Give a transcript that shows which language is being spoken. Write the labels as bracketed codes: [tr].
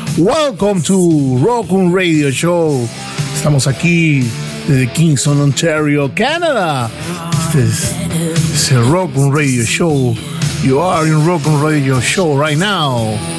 [en] Welcome to Rock'em Radio Show. [es] Estamos aquí desde Kingston, Ontario, Canada. Este es el Rock'em Radio Show. [en] You are in Rock'em Radio Show right now.